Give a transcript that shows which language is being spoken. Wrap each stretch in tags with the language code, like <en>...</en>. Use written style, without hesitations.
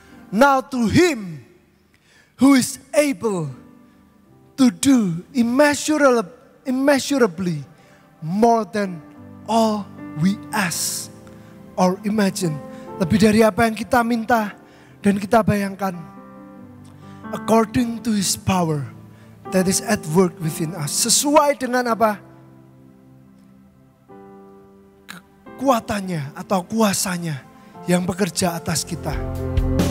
<en>"Now to him who is able to do immeasurably more than all we ask or imagine."</en> <id>Lebih dari apa yang kita minta dan kita bayangkan.</id> <en>"According to his power that is at work within us."</en> <id>Sesuai dengan apa? Kekuatannya atau kuasanya yang bekerja atas kita.</id>